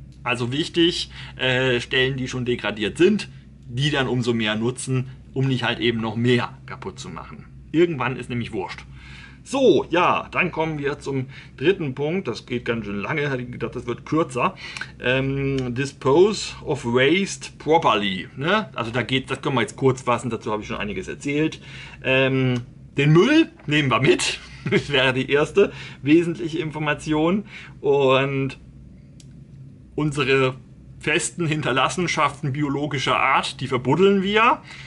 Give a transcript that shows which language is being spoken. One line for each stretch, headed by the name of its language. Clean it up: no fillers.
German: Also wichtig, Stellen, die schon degradiert sind, die dann umso mehr nutzen, um nicht halt eben noch mehr kaputt zu machen. Irgendwann ist nämlich Wurscht. So, ja, dann kommen wir zum dritten Punkt. Das geht ganz schön lange, hätte ich gedacht, das wird kürzer.
English: Dispose of waste properly.
German: Ne? Also da geht, das können wir jetzt kurz fassen, dazu habe ich schon einiges erzählt. Den Müll nehmen wir mit. Das wäre die erste wesentliche Information. Und unsere festen Hinterlassenschaften biologischer Art, die verbuddeln wir.